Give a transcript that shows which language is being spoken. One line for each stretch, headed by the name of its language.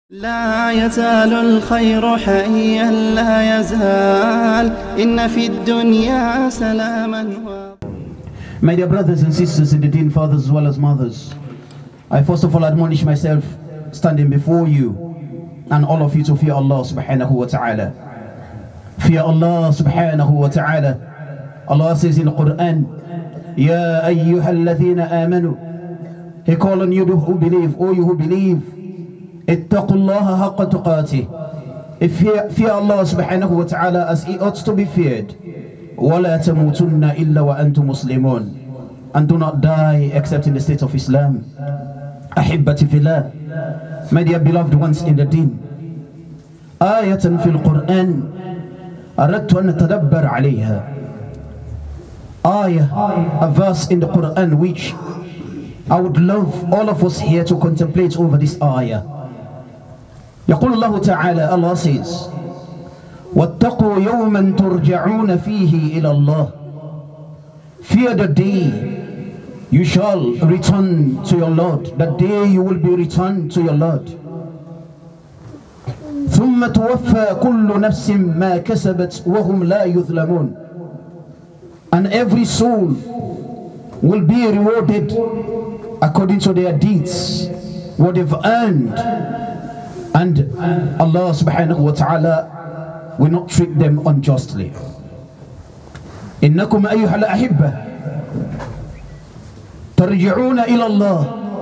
Arabic: لا يزال الخير حيا لا يزال إن في الدنيا سلاما و...
English: My dear brothers and sisters in the deen, fathers as well as mothers, I first of all admonish myself standing before you and all of you to fear Allah subhanahu wa ta'ala. Fear Allah subhanahu wa ta'ala. Allah says in the Quran,
Arabic: Ya ayyuhal ladhina amanu.
English: He called on you who believe, O you who believe.
Arabic: اتقوا الله حق تقاته.
English: If fear Allah subhanahu wa ta'ala as he ought to be feared.
Arabic: ولا تموتن إلا وأنتم مسلمون.
English: And do not die except in the state of Islam.
Arabic: أحبتي في الله.
English: My dear beloved ones in the deen.
Arabic: آية في القرآن أردت أن أتدبر عليها.
English: آية, a verse in the Quran which I would love all of us here to contemplate over this ayah.
Arabic: يقول الله تعالى,
English: Allah says,
Arabic: واتقوا يوما ترجعون فيه إلى الله.
English: Fear the day you shall return to your Lord, the day you will be returned to your Lord.
Arabic: ثم توفى كل نفس ما كسبت وهم لا يظلمون.
English: And every soul will be rewarded according to their deeds, what they've earned. And Allah subhanahu wa ta'ala will not treat them unjustly.
Arabic: إِنَّكُمْ أَيُّهَا الْأَحِبَّةِ تَرْجِعُونَ إِلَى اللَّهِ.